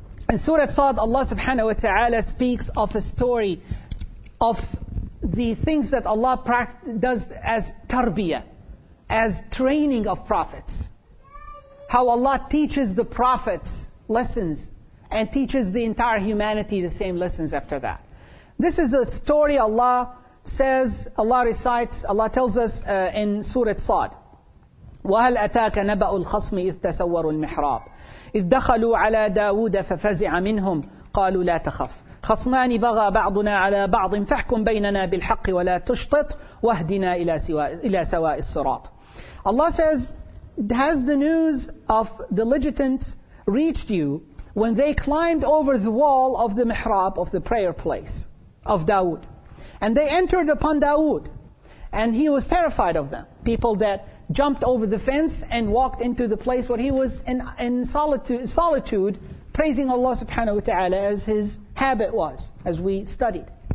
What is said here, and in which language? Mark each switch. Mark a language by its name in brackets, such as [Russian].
[English] In Surah Sad, Allah subhanahu wa ta'ala speaks of a story of the things that Allah does as tarbiyah, as training of prophets. How Allah teaches the prophets lessons and teaches the entire humanity the same lessons after that. This is a story Allah says, Allah recites, Allah tells us in Surah Sad, [Arabic] وَهَلْ أَتَاكَ نَبَأُ الْخَصْمِ إِذْ تَسَوَّرُوا الْمِحْرَابِ إِذْ دَخَلُوا عَلَى دَاوُودَ فَفَزِعَ مِنْهُمْ قَالُوا لَا تَخَفْ خَصْمَانِ بَغَى بَعْضُنَا عَلَى بَعْضٍ فَاحْكُمْ بَيْنَنَا بِالْحَقِّ وَلَا تُشْطِطْ وَاهْدِنَا إِلَى سَوَاءِ الصِّرَاطِ. [English] Allah says, has the news of the legitimate reached you when they climbed over the wall of the mihrab, of the prayer place of Dawood? And they entered upon Dawood, and he was terrified of them. People that jumped over the fence and walked into the place where he was in solitude, praising Allah subhanahu wa ta'ala as his habit was, as we studied.